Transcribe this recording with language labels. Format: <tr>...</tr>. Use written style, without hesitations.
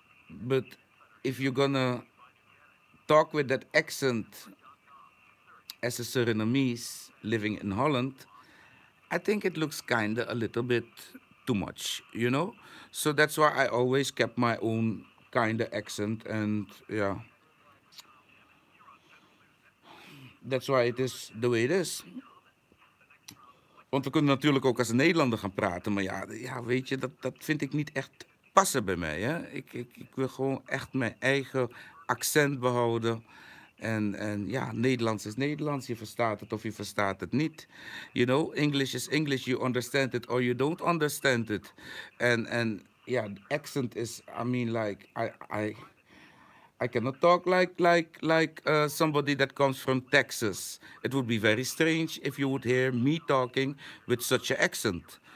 <en>But if you're gonna talk with that accent as a Surinamese living in Holland, I think it looks kinda a little bit too much, you know? So that's why I always kept my own kinda accent, and yeah. That's why it is the way it is.</en> <nl>Want we kunnen natuurlijk ook als Nederlander gaan praten, maar ja weet je, dat vind ik niet echt passen bij mij, hè? Ik wil gewoon echt mijn eigen accent behouden. En ja, Nederlands is Nederlands. Je verstaat het of je verstaat het niet.</nl> <en>You know, English is English. You understand it or you don't understand it.</en> <nl>En ja, accent is,</nl> <en>I mean, like, I cannot talk like somebody that comes from Texas. It would be very strange if you would hear me talking with such an accent.</en>